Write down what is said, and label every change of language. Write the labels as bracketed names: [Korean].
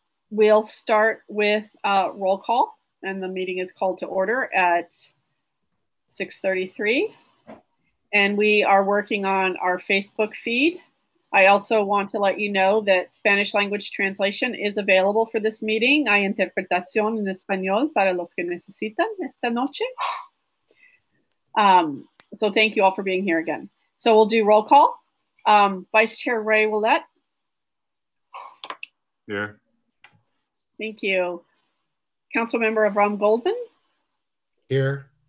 [English] We'll start with a roll call, and the meeting is called to order at 6:33. And we are working on our Facebook feed. I also want to let you know that Spanish language translation is available for this meeting. [Spanish] Hay interpretación en español para los que necesitan esta noche. [English] So thank you all for being here again. So we'll do roll call. Vice Chair Ray Ouellette. Here. Thank you. Council Member Avram Goldman. Here.